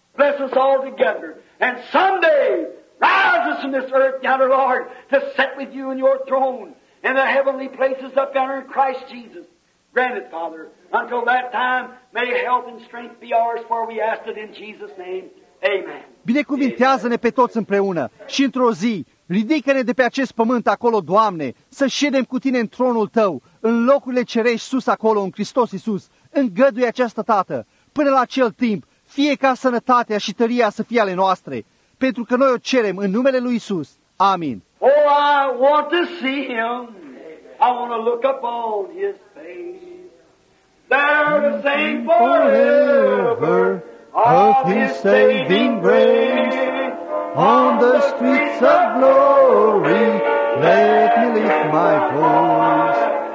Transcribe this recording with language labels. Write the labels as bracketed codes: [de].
[en] Bless us all together, and someday, rise us from this earth, yonder, Lord, to sit with you in your throne, in the heavenly places up yonder in Christ Jesus. Grant it, Father. Until that time, may health and strength be ours, for we ask it in Jesus' name. Amen. [ro] Binecuvintează-ne pe toți împreună și într-o zi, ridică-ne de pe acest pământ acolo, Doamne, să ședem cu Tine în tronul Tău, în locurile cerești sus acolo, în Hristos Iisus. Îngăduie această Tată, până la acel timp, fie ca sănătatea și tăria să fie ale noastre, pentru că noi o cerem în numele Lui Iisus. Amin. [en] Oh, I want to see Him. I want to look upon His face. There to sing forever of His saving grace. On the streets of glory, let me lift my voice.